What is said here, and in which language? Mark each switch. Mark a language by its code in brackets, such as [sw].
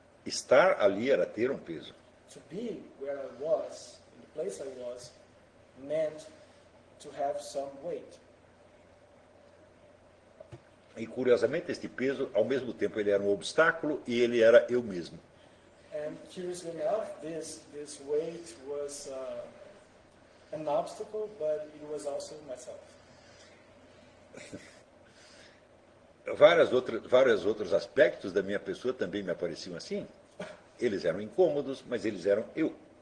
[pt] Estar ali era ter um peso. [en] To be where I was, in the place I was, meant to have some weight. [pt] E curiosamente, este peso, ao mesmo tempo, ele era um obstáculo e ele era eu mesmo. [en] And curiously enough, this weight was an obstacle, but it was also myself. [pt] Vários outros aspectos da minha pessoa também me apareciam assim. Eles eram incômodos, mas eles eram eu.